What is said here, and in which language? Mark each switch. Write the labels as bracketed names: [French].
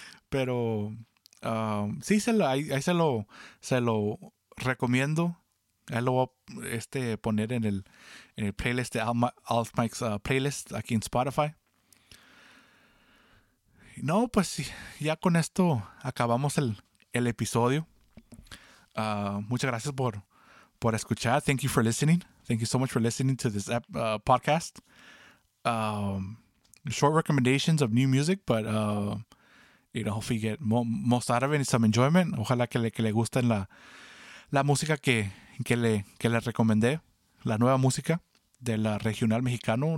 [Spanish] Pero sí, se lo recomiendo. Ahí lo voy a poner en el playlist de Alt Mike's playlist aquí en Spotify. No, pues sí, ya con esto acabamos el episodio. Muchas gracias por escuchar. [English] Thank you for listening. Thank you so much for listening to this podcast. Short recommendations of new music, but hopefully you get most out of it and some enjoyment. [Spanish] Ojalá que le gusten la música que le recomendé, la nueva música de la regional mexicano.